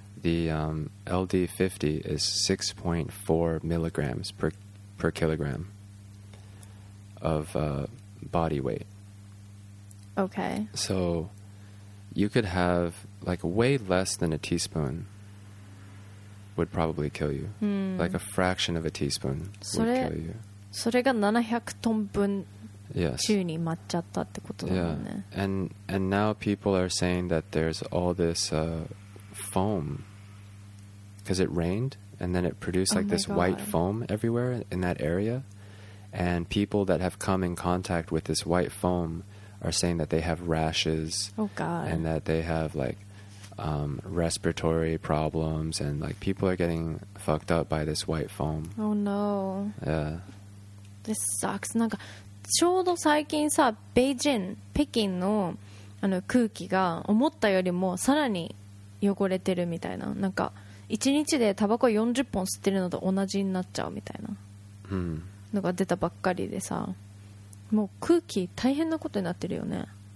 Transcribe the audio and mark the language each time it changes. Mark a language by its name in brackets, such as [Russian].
[English] The LD50 is 6.4 milligrams per kilogram of body weight. Okay. So you could have like way less than a teaspoon would probably kill you. Like a fraction of a teaspoon would kill you. [Japanese] それが700トン分宙に舞っちゃったってことだもんね。 [English] Yes. Yeah. And now people are saying that there's all this foam because it rained and then it produced like this white foam everywhere in that area. And people that have come in contact with this white foam are saying that they have rashes. Oh God. And that they have like respiratory problems and like people are getting fucked up by this white foam. Oh no. Yeah. This sucks. [Japanese] なんかちょうど最近さ、ベイジン、北京の、あの空気が思ったよりもさらに汚れてるみたいな。なんか 1日でタバコ40本吸ってるのと同じになっちゃうみたいなのが出たばっかりでさ、もう空気大変なことになってるよね。